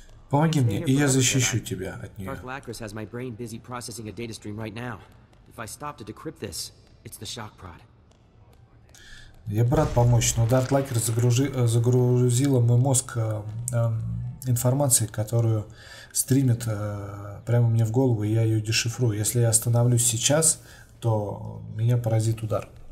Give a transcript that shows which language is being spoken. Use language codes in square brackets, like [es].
[ru] Помоги мне, и я защищу тебя от нее. [en] Дарт Лакрис has my brain busy processing a data stream right now. If I stop to decrypt this, it's the shock prod. [ru] Я брат помочь, но Дарт Лакрис загрузила мой мозг информацией, которую стримит прямо мне в голову, и я ее дешифрую. Если я остановлюсь сейчас, то меня поразит удар.